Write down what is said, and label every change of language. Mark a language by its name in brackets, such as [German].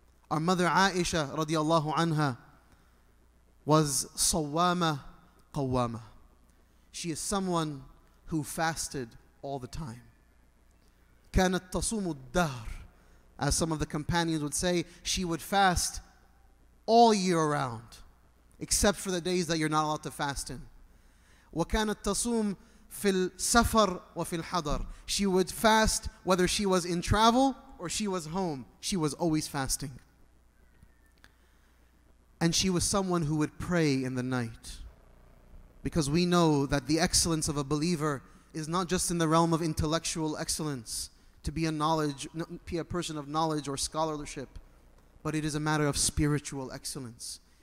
[English] Our mother Aisha radiallahu anha was [Arabic] sawwama qawwama. [English] She is someone who fasted all the time. [Arabic] كانت تصوم الدهر, [English] as some of the companions would say, she would fast all year round, except for the days that you're not allowed to fast in. [Arabic] وكانت تصوم في السفر وفي الحضر. [English] She would fast whether she was in travel or she was home. She was always fasting. And she was someone who would pray in the night. Because we know that the excellence of a believer is not just in the realm of intellectual excellence, to be a knowledge, be a person of knowledge or scholarship, but it is a matter of spiritual excellence.